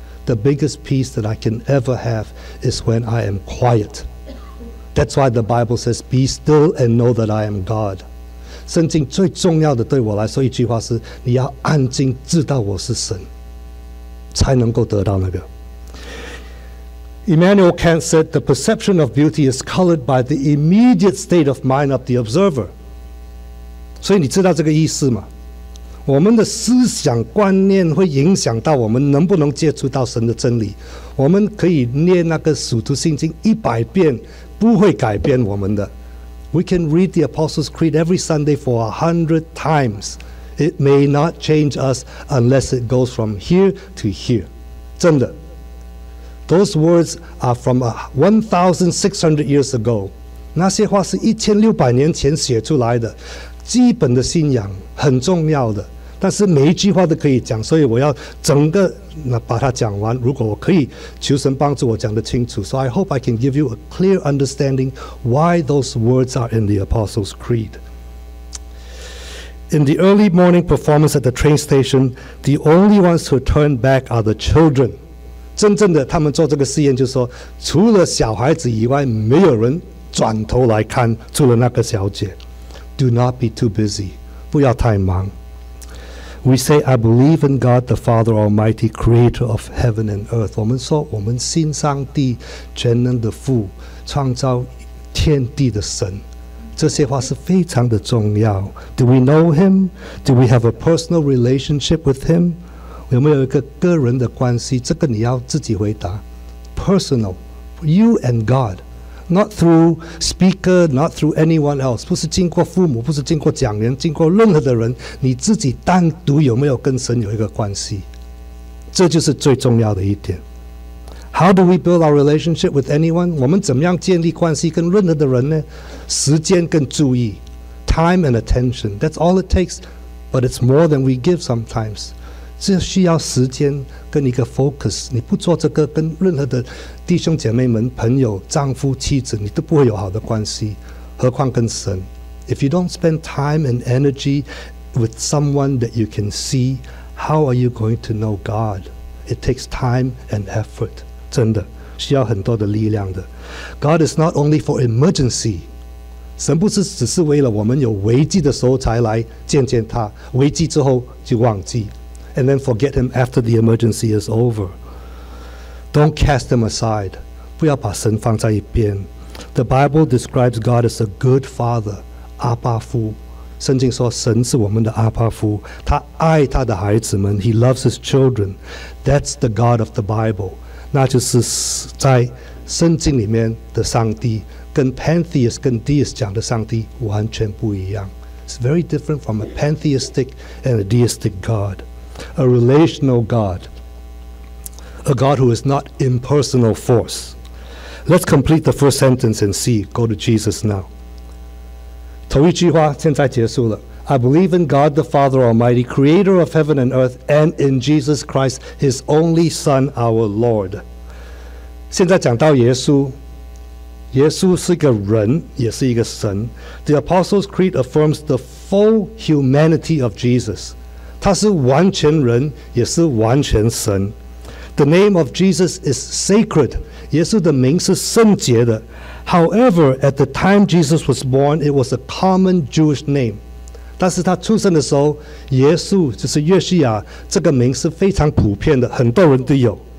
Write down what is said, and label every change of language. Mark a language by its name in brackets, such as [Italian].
[English] The biggest peace that I can ever have is when I am quiet. That's why the Bible says, be still and know that I am God. [Chinese] 圣经最重要的对我来说一句话是你要安静知道我是神才能够得到那个 [English] Immanuel Kant said the perception of beauty is colored by the immediate state of mind of the observer [Chinese] 所以你知道这个意思吗我们的思想观念会影响到我们能不能接触到神的真理我们可以念那个使徒信经100遍不会改变我们的 [English] We can read the Apostles' Creed every Sunday for 100 times. It may not change us unless it goes from here to here. [Chinese] 真的。 [English] Those words are from 1,600 years ago. [Chinese] 那些话是1600年前写出来的。基本的信仰很重要的。但是每一句话都可以讲所以我要整个把它讲完如果我可以求神帮助我讲得清楚 [English] So I hope I can give you a clear understanding why those words are in the Apostles' Creed In the early morning performance at the train station the only ones who turn back are the children [Chinese] 真正的他们做这个试验就是说除了小孩子以外没有人转头来看除了那个小姐 [English] Do not be too busy [Chinese] 不要太忙 [English] We say, I believe in God, the Father Almighty, creator of heaven and earth. [Chinese] 我们说我们信上帝全能的父创造天地的神。这些话是非常的重要。 [English] Do we know him? Do we have a personal relationship with him? [Chinese] 有没有一个个人的关系这个你要自己回答。 [English] Personal, you and God. Not through speaker, not through anyone else. [Chinese] 不是经过父母，不是经过讲人，经过任何的人，你自己单独有没有跟神有一个关系？这就是最重要的一点。 [English] How do we build our relationship with anyone? [Chinese] 我们怎么样建立关系跟任何的人呢？时间跟注意 [English] ，time and attention. That's all it takes, but it's more than we give sometimes. [Chinese] 这需要时间跟一个 focus 你不做这个跟任何的弟兄姐妹们朋友丈夫妻子你都不会有好的关系何况跟神 [English] If you don't spend time and energy with someone that you can see how are you going to know God it takes time and effort [Chinese] 真的需要很多的力量的 [English] God is not only for emergency [Chinese] 神不是只是为了我们有危机的时候才来见见他危机之后就忘记 [English] And then forget him after the emergency is over. Don't cast him aside. [Chinese] 不要把神放在一边。 [English] The Bible describes God as a good father, [Chinese] 阿爸父。圣经说神是我们的阿爸父，他爱他的孩子们， [English] He loves his children. That's the God of the Bible. [Chinese] 那就是在圣经里面的上帝，跟 pantheist 跟 deist 讲的上帝完全不一样。 [English] It's very different from a pantheistic and a deistic God. A relational God. A God who is not impersonal force. Let's complete the first sentence and see. Go to Jesus now. [Chinese] 头一句话现在结束了。 [English] I believe in God the Father Almighty, creator of heaven and earth, and in Jesus Christ, his only Son, our Lord. [Chinese] 现在讲到耶稣，耶稣是一个人，也是一个神。 [English] The Apostles' Creed affirms the full humanity of Jesus. [Chinese] 他是完全人，也是完全神。 [English] The name of Jesus is sacred. [Chinese] 耶稣的名是圣洁的。 [English] However, at the time Jesus was born, it was a common Jewish name. [Chinese] 但是他出生的时候，耶稣就是约西亚，这个名是非常普遍的，很多人都有。